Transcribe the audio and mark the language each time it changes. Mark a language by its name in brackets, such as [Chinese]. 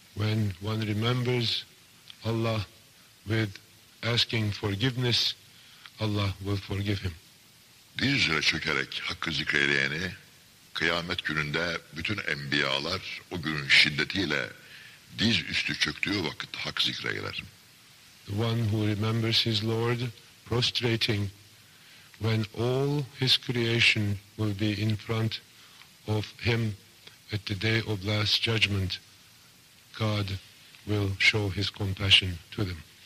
[English] When one remembers Allah with asking forgiveness, Allah will forgive him. [Turkish] Diz üzere çökerek hakkı zikreyeni, kıyamet gününde bütün enbiyalar o günün şiddetiyle diz üstü çöktüğü vakit hak zikreyler. [English] The one who remembers his Lord prostrating when all his creation will be in front of him at the day of last judgment, God will show his compassion to them.